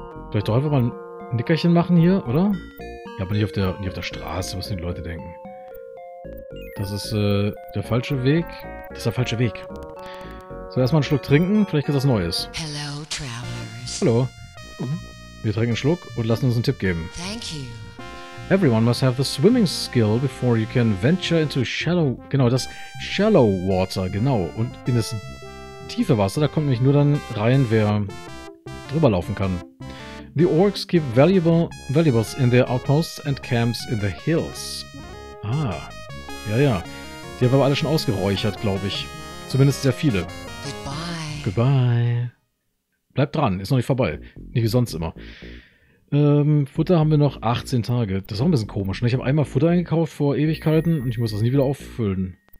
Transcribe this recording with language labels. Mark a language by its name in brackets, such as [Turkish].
[German] Vielleicht doch einfach mal ein Nickerchen machen hier, oder? Ja, aber nicht auf der Straße, was die Leute denken. Das ist der falsche Weg. Das ist der falsche Weg. So, erstmal einen Schluck trinken, vielleicht gibt es was Neues. [English] Hello, Travelers. [German] Hallo. Wir trinken einen Schluck und lassen uns einen Tipp geben. [English] Thank you. Everyone must have the swimming skill before you can venture into shallow... [German] Genau, das shallow water, genau. Und in das tiefe Wasser, da kommt nämlich nur dann rein, wer drüber laufen kann. [English] The orcs keep valuables in their outposts and camps in the hills. [German] Ah, ja, ja. Die haben aber alle schon ausgeräuchert, glaube ich. Zumindest sehr viele. [English] Goodbye. Goodbye. [German] Bleibt dran, ist noch nicht vorbei. Nicht wie sonst immer. Futter haben wir noch 18 Tage. Das ist auch ein bisschen komisch, ne? Ich habe einmal Futter eingekauft vor Ewigkeiten und ich muss das nie wieder auffüllen.